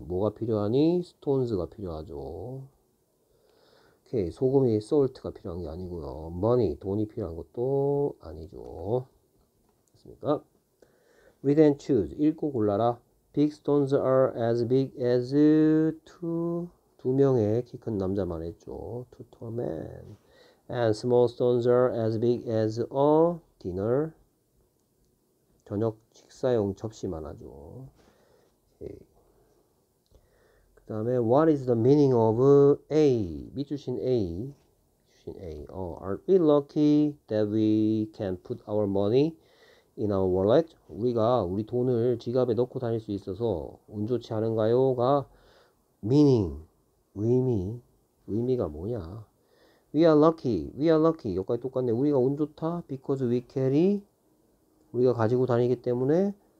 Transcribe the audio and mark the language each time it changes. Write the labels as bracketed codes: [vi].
[ko] 뭐가 필요하니? Stones가 필요하죠. Okay, 소금이 Salt가 필요한 게 아니고요. Money, 돈이 필요한 것도 아니죠. 됐습니까? [en] Read and choose. [ko] 읽고 골라라. [en] Big stones are as big as two. [ko] 두 명의 키큰 남자 말했죠. [en] Two tall men. And small stones are as big as a dinner. [ko] 저녁 식사용 접시만 하죠. [en] Okay. [ko] 그 다음에 [en] What is the meaning of A? [ko] 밑줄신 A, 밑줄신 A. [en] Aren't we lucky that we can put our money in our wallet? [ko] 우리가 우리 돈을 지갑에 넣고 다닐 수 있어서 운 좋지 않은가요?가 meaning, 의미, 의미가 뭐냐? [en] We are lucky. [ko] 여기까지 똑같네. 우리가 운 좋다. [en] Because we carry, [ko] 우리가 가지고 다니기 때문에.